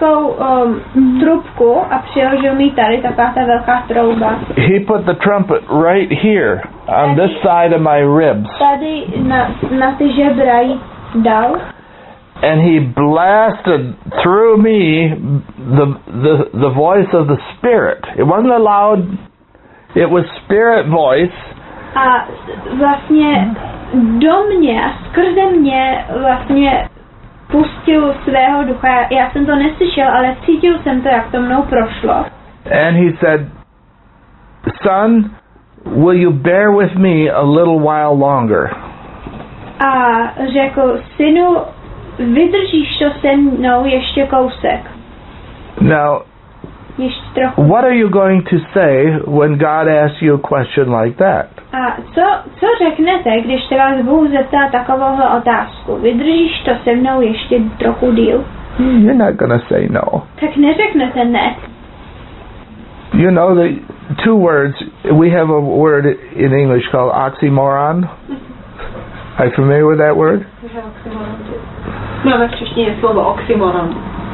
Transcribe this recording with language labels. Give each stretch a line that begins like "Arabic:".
Czech: Velikou trubku a přiložil mi tady taková ta velká trouba.
English: He put the trumpet right here on
Czech: tady,
English: this side of my ribs.
Czech: Tady na ty žebra jí dal.
English: And he blasted through me the voice of the Spirit. It wasn't a loud, it was Spirit voice.
Czech: A vlastně do mě, skrze mě vlastně pustil svého ducha. Já jsem to neslyšel, ale cítil jsem to, jak to mnou prošlo.
English: And he said, son, will you bear with me a little while longer?
Czech: A řekl, synu, vydržíš to se mnou ještě kousek.
English: Now, what are you going to say when God asks you a question like that?
Czech: A co řeknete, když se vás Bůh zeptá takovouhle otázku? Vydržíš to se mnou ještě trochu díl?
English: You're not going to say no.
Czech: Tak neřeknete ne.
English: You know the two words, we have a word in English called oxymoron. Are you familiar with that word?
Czech: Máme v češtině slovo oxymoron.